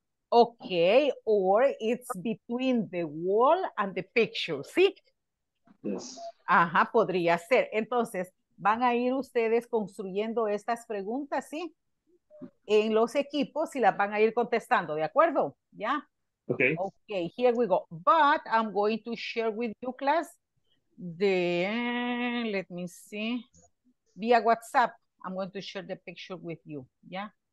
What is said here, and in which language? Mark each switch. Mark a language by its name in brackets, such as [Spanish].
[English] Okay, or it's between the wall and the picture, ¿sí? Yes. [Spanish] Ajá, podría ser. Entonces, van a ir ustedes construyendo estas preguntas, ¿sí? En los equipos y las van a ir contestando, ¿de acuerdo? ¿Ya? [English] Okay. Okay, here we go. But I'm going to share with you, class, let me see, via WhatsApp, I'm going to share the picture with you, ¿ya?